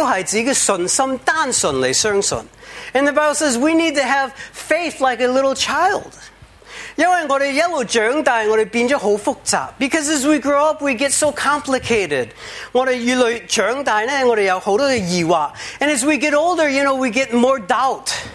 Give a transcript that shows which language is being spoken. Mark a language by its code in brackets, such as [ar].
[zh] 耶稣说我们要有好像小孩子的信心单纯来相信. [en] And the Bible says we need to have faith like a little child. [zh] 因为我们一路长大我们变得很复杂. [en] Because as we grow up we get so complicated. [zh] 我们越来越长大我们有很多的疑惑. [en] And as we get older, you know, we get more doubt.